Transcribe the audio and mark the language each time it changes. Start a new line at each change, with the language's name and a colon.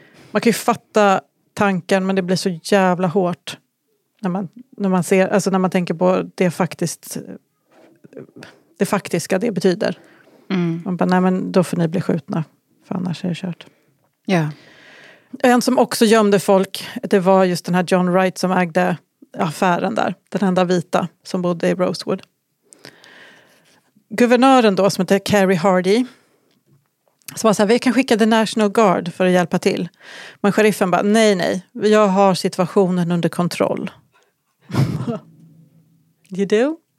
Swedish: Man kan ju fatta tanken, men det blir så jävla hårt när man ser, alltså när man tänker på det faktiska det betyder. Mm. Man bara, nej men då får ni bli skjutna, för annars är det kört. Ja. En som också gömde folk, det var just den här John Wright som ägde affären där. Den enda vita som bodde i Rosewood. Guvernören då, som heter Kerry Hardy, som var så här, vi kan skicka The National Guard för att hjälpa till. Men sheriffen bara, nej nej, jag har situationen under kontroll.
English: You do?